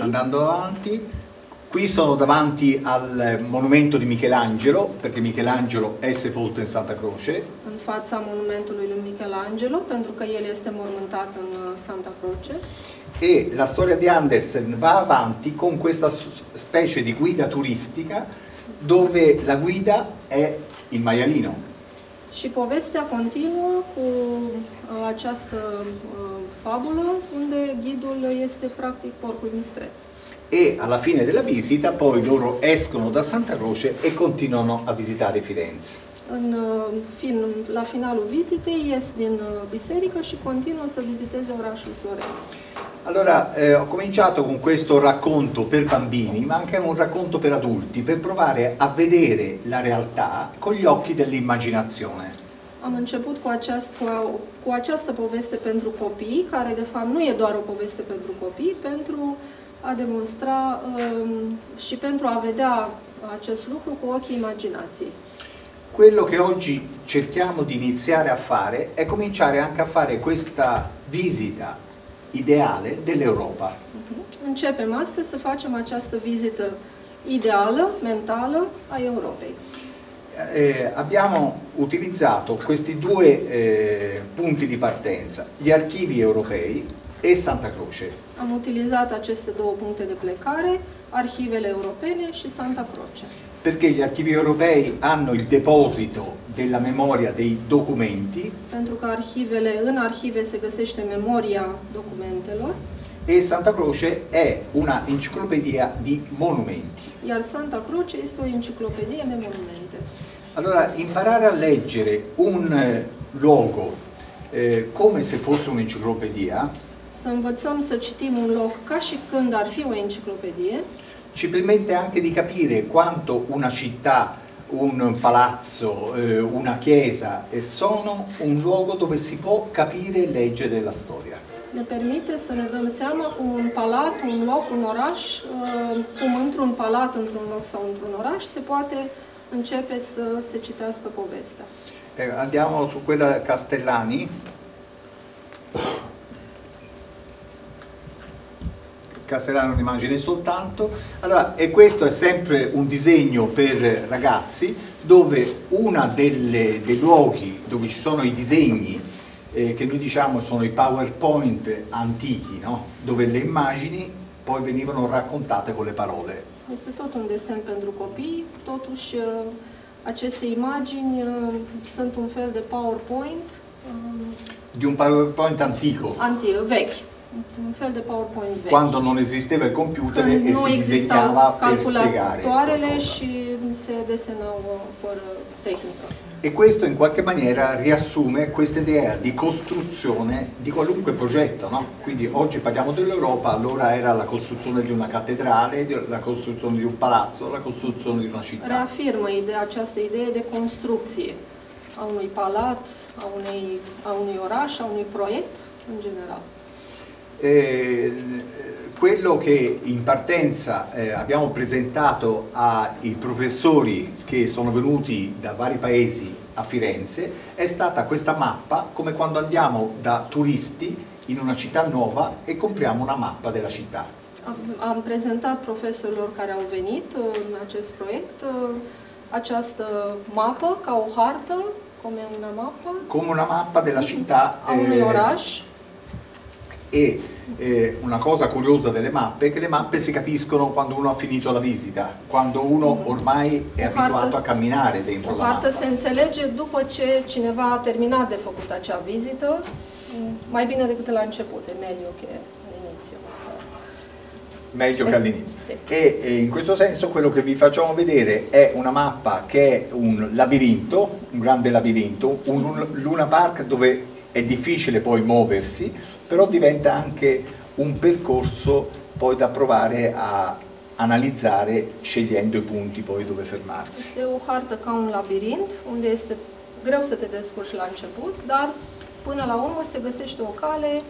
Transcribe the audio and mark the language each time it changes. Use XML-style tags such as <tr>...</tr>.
<it>Andando avanti, qui sono davanti al monumento di Michelangelo, perché Michelangelo è sepolto in Santa Croce.</it> <ro>În fața monumentului lui Michelangelo, pentru că el este mormântat în Santa Croce.</ro> <it>E la storia di Andersen va avanti con questa specie di guida turistica, dove la guida è il maialino.</it> <ro>Și povestea continuă cu această fabulă, unde ghidul este practic porcul mistreț.</ro> <it>E alla fine della visita poi loro escono da Santa Croce e continuano a visitare Firenze.</it> <ro>La finalul vizitei ies din biserică și continuă să viziteze orașul Florența.</ro> <it>Allora, ho cominciato con questo racconto per bambini, ma anche un racconto per adulti, per provare a vedere la realtà con gli occhi dell'immaginazione.</it> <ro>Am început cu această poveste pentru copii, care de fapt nu e doar o poveste pentru copii, pentru a demonstra și pentru a vedea acest lucru cu ochii imaginației.</ro> <it>Quello che oggi cerchiamo di iniziare a fare è cominciare anche a fare questa visita ideale dell'Europa.</it> <ro>Începem astăzi să facem această vizită ideală, mentală, a Europei.</ro> <it>Abbiamo utilizzato questi due punti di partenza, gli archivi europei e Santa Croce.</it> <ro>Am utilizzato aceste două puncte de plecare, arhivele europene și Santa Croce.</ro> <it>Perché gli archivi europei hanno il deposito della memoria dei documenti.</it> <ro>Pentru că arhivele, în arhive se găsește memoria documentelor.</ro> <it>E Santa Croce è una enciclopedia di monumenti.</it> <ro>Iar Santa Croce este o enciclopedie de monumente.</ro> <it>Allora, imparare a leggere un luogo come se fosse un'enciclopedia.</it> <ro>Să învățăm să citim un loc ca și când ar fi o enciclopedie.</ro> <it>Ci permette anche di capire quanto una città un palazzo, una chiesa, e sono un luogo dove si può capire e leggere la storia.</it> <ro>Ne permite să ne dăm seama un palat, un loc, un oraș, cum într-un palat, într-un loc sau într-un oraș se poate începe să se citească povestea.</ro> <it>Andiamo su quella Castellani. Castellani un'immagine soltanto. Allora, e questo è sempre un disegno per ragazzi, dove una delle, dei luoghi dove ci sono i disegni, che noi diciamo sono i PowerPoint antichi, no? Dove le immagini poi venivano raccontate con le parole.</it> <ro>Este tot un desen pentru copii, totuși aceste imagini sunt un fel de PowerPoint.</ro> <it>Di un PowerPoint antico. Antico,</it> <ro>vechi. Un fel de PowerPoint vechi.</ro> <it>Quando non esisteva il computer</it> <ro>când</ro> <it>e si disegnava per spiegare. Non esistevano</it> <ro>calcolatoarele și se desenau fără tehnică.</ro> <it>E questo in qualche maniera riassume questa idea di costruzione di qualunque progetto, no? Quindi oggi parliamo dell'Europa, allora era la costruzione di una cattedrale, la costruzione di un palazzo, la costruzione di una città. Riaffirma questa idea di costruzione a un palazzo, a un oraș, a un progetto in generale. Quello che in partenza abbiamo presentato ai professori che sono venuti da vari paesi a Firenze è stata questa mappa, come quando andiamo da turisti in una città nuova e compriamo una mappa della città.</it> <ro>Am presentat profesorilor care au venit în acest proiect această mapă ca o hartă,</ro> <it>come una mappa. Come una mappa della città.</it> <ro>A un oraș.</ro> <it>E una cosa curiosa delle mappe è che le mappe si capiscono quando uno ha finito la visita, quando uno ormai è abituato a camminare dentro la mappa. La carta si intende dopo che cineva ha terminato di fare acea visita,</it> <ro>mai bene decât la început,</ro> <it>è meglio che all'inizio. Meglio che all'inizio. Sì. E in questo senso quello che vi facciamo vedere è una mappa che è un labirinto, un grande labirinto, un Luna Park dove è difficile poi muoversi, però diventa anche un percorso poi da provare a analizzare scegliendo i punti poi dove fermarsi.</it> <ro>Este o hartă ca un labirint, unde este greu să te descurci la început, dar până la urmă se găsește o cale</ro>